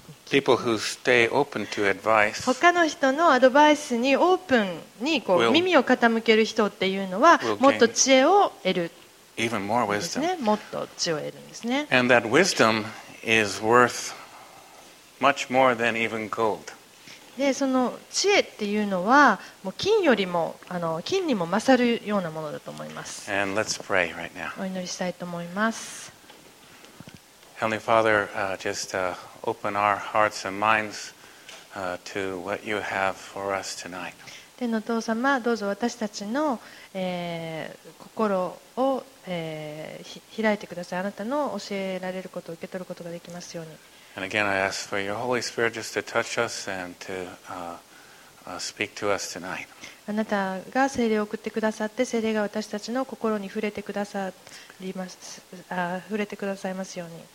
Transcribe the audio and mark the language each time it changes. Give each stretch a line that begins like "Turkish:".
English: People who stay open to advice,
Japanese: 他の人のアドバイスにオープンにこう耳を傾ける人っていうのはもっと知恵を得るんですね。もっと知恵を得るんですね。
English: And that wisdom is worth much more than even gold.
Japanese: で、その知恵っていうのはもう金よりも金にも勝るようなものだと思います。
English: And let's pray right now.
Japanese: お祈りしたいと思います。
English: Heavenly Father, open our hearts and minds to what you have for us tonight.
Japanese: 天のお父様、どうぞ私たちの、心を、開いてください。あなたの教えられることを受け取ることができますように。
English: And again, I ask for your Holy Spirit just to touch us and to speak to us tonight.
Japanese: あなたが聖霊を送ってくださって、聖霊が私たちの心に触れてくださります、触れてくださいますように。